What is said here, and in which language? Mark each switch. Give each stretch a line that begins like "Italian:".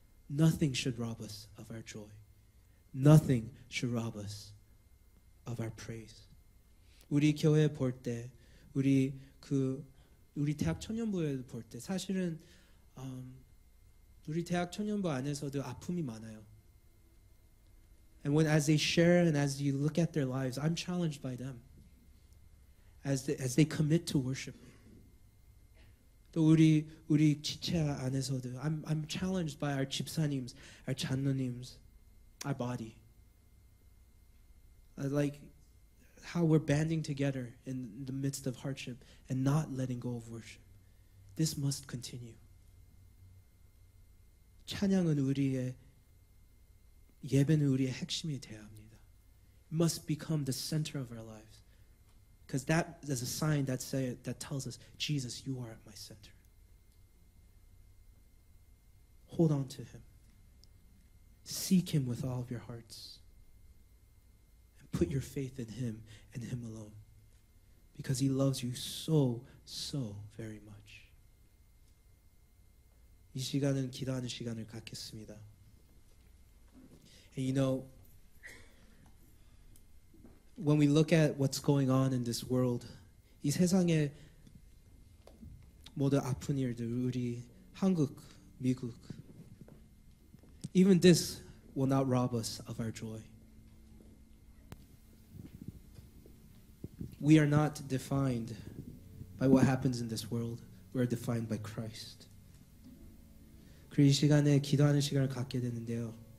English: Nothing should rob us of our joy. Nothing should rob us of our praise.
Korean: 우리 교회 볼 때 우리 대학 청년부에도 볼 때 사실은 우리 대학 청년부 안에서도 아픔이 많아요.
English: And when as they share and as you look at their lives, I'm challenged by them. As they commit to worship.
Korean: 또 우리 지체 안에서도
English: I'm challenged by our 집사님s, our 장로님s, our body. Like how we're banding together in the midst of hardship and not letting go of worship. This must continue.
Korean: 찬양은 우리의 예배는 우리의 핵심이 되어야 합니다.
English: It must become the center of our lives. Because that is a sign that, say, that tells us, Jesus, you are at my center. Hold on to him. Seek him with all of your hearts. And put your faith in him and him alone. Because he loves you so, so very much.
Korean: 이 시간은 기도하는 시간을 갖겠습니다.
English: And you know, when we look at what's going on in this world,
Korean: 이 세상의 모든 아픈 일들, 우리 한국, 미국,
English: even this will not rob us of our joy. We are not defined by what happens in this world. We are defined by Christ.
Korean: 그리고 이 시간에 기도하는 시간을 갖게 되는데요.